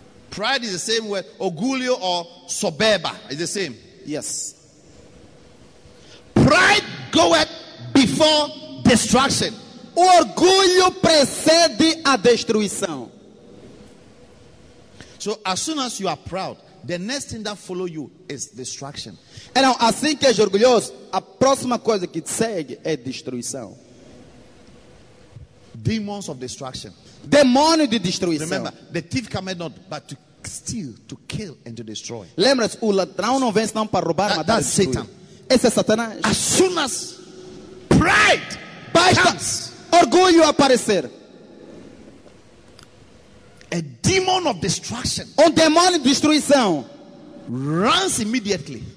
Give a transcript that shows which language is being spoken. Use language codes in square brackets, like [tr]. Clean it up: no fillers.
[en] Pride is the same word. Orgulho or soberba is the same. Yes. Pride goeth before destruction. [pt] O orgulho precede a destruição. [en] So as soon as you are proud, the next thing that follows you is destruction. [pt] Então, assim que és orgulhoso, a próxima coisa que te segue é destruição. [en] Demons of destruction. [pt] Demônio de destruição. [en] Remember, the thief cometh not but to steal, to kill, and to destroy. [pt] Lembra-se, o ladrão não vem senão para roubar, mas [en] that's Satan. [pt] Esse é Satanás. [en] As soon as pride comes, [pt] orgulho aparecer. [en] A demon of destruction. [pt] Um demônio de destruição. [en] Runs immediately.